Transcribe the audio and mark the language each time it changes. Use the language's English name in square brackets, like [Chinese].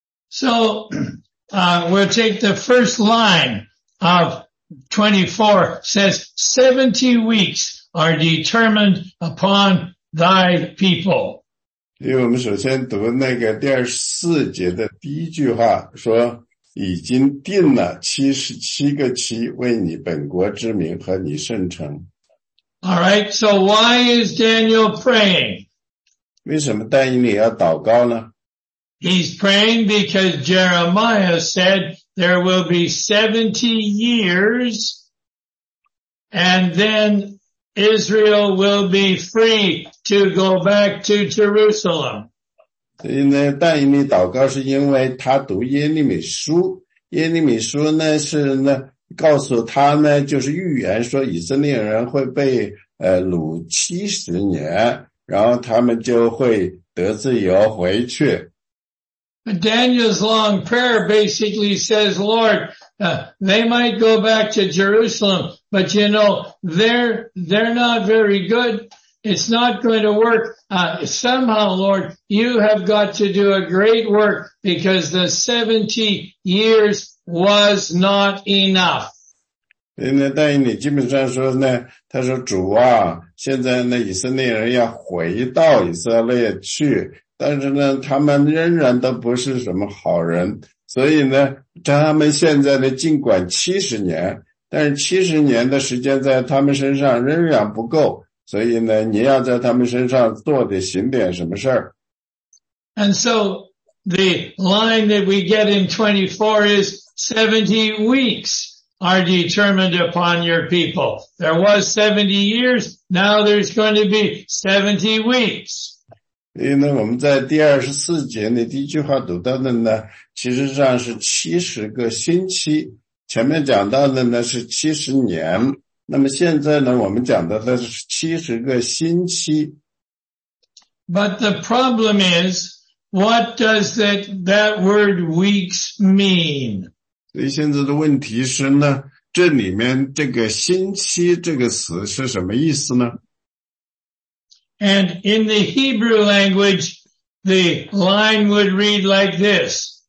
[English] So, we'll take the first line of 24 says 70 weeks. Are determined upon thy people. [Chinese] 因为我们首先读那个第二十四节的第一句话，说已经定了77个期为你本国之民和你圣城。 [English] All right, so why is Daniel praying? [Chinese] 为什么但以理要祷告呢？ [English] He's praying because Jeremiah said there will be 70 years, and then. Israel will be free to go back to Jerusalem. [Chinese] 所以呢，但以理祷告是因为他读耶利米书。耶利米书呢是呢告诉他呢，就是预言说以色列人会被掳70年，然后他们就会得自由回去。 [English] Daniel's long prayer basically says, Lord, they might go back to Jerusalem, but you know, they're not very good. It's not going to work. Somehow, Lord, you have got to do a great work because the 70 years was not enough. [Chinese] 那但你基本上说呢，他说主啊，现在呢以色列人要回到以色列去。但是呢他们仍然都不是什么好人，所以呢他们现在呢尽管70年，但是70年的时间在他们身上仍然不够，所以呢你要在他们身上做点行点什么事儿。 [English] And so the line that we get in 24 is 70 weeks are determined upon your people. There was 70 years, now there's going to be 70 weeks. [Chinese] 因为呢我们在第24节的第一句话读到的呢，其实上是70个星期，前面讲到的呢是70年，那么现在呢我们讲到的是70个星期。 [English] But the problem is, What does that word weeks mean? [Chinese] 所以现在的问题是呢，这里面这个星期这个词是什么意思呢？ [English] And in the Hebrew language, the line would read like this.